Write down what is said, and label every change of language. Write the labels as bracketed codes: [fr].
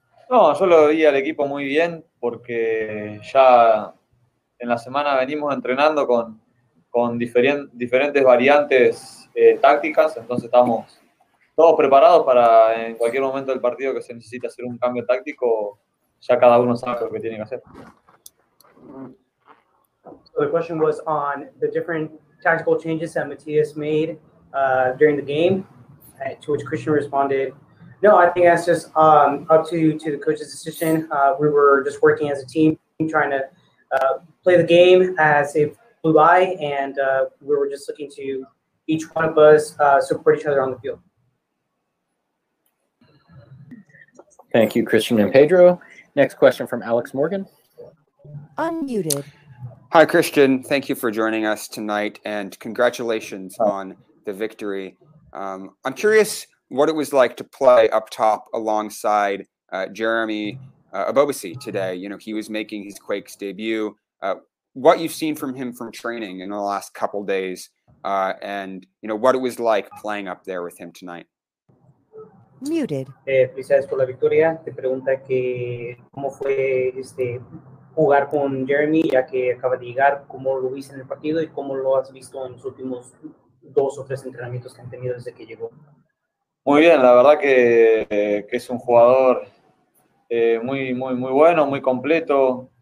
[es] No, yo lo vi al equipo muy bien porque ya en la semana venimos entrenando con diferentes variantes tácticas, entonces estamos todos preparados para en cualquier momento del partido que se necesite hacer un cambio táctico. Ya cada uno sabe lo que tiene que hacer. [en] So the question was on the different tactical changes that Matias made during the game, to which Cristian responded, no, I think that's just up to the coach's decision. We were just working as a team, trying to play the game as it flew by, and we were just looking to each one of us support each other on the field. Thank you, Cristian and Pedro. Next question from Alex Morgan. Unmuted. Hi, Cristian. Thank you for joining us tonight, and congratulations on the victory. I'm curious what it was like to play up top alongside Jeremy Ebobisse today. You know, he was making his Quakes debut. What you've seen from him from training in the last couple days, and, you know, what it was like playing up there with him tonight. Muted. [es] Felicidades por la victoria. Te pregunta que cómo fue jugar con Jeremy, ya que acaba de llegar, cómo lo viste en el partido y cómo lo has visto en los últimos dos o tres entrenamientos que han tenido desde que llegó. Muy bien, la verdad que es un jugador muy, muy, muy bueno, muy completo.